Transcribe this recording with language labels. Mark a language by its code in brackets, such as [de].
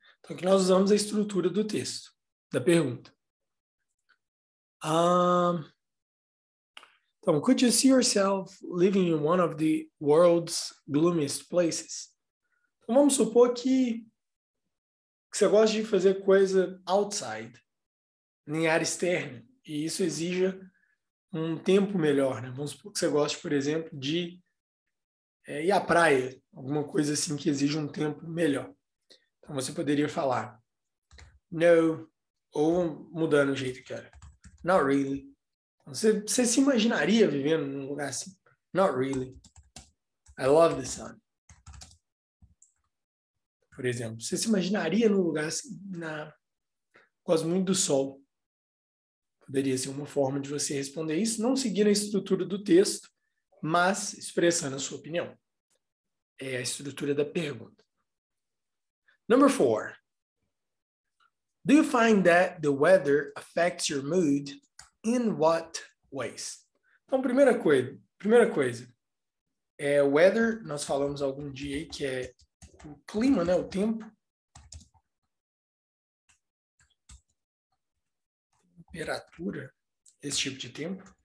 [pt] Então, aqui nós usamos a estrutura do texto, da pergunta. Então, [en] could you see yourself living in one of the world's gloomiest places? [pt] Então, vamos supor que você gosta de fazer coisa outside, em área externa, e isso exija um tempo melhor, né? Vamos supor que você goste, por exemplo, de ir à praia, alguma coisa assim que exija um tempo melhor. Então, você poderia falar, no, ou mudando o jeito que era, [en] not really. [pt] Você se imaginaria vivendo num lugar assim? [en] Not really. I love the sun. [pt] Por exemplo, você se imaginaria num lugar assim, na quase muito do sol? Poderia ser uma forma de você responder isso, não seguindo a estrutura do texto, mas expressando a sua opinião. é a estrutura da pergunta. [en] Number 4. Do you find that the weather affects your mood in what ways? [pt] Então, primeira coisa, é weather, nós falamos algum dia aí que é o clima, né, o tempo. Temperatura, esse tipo de tempo.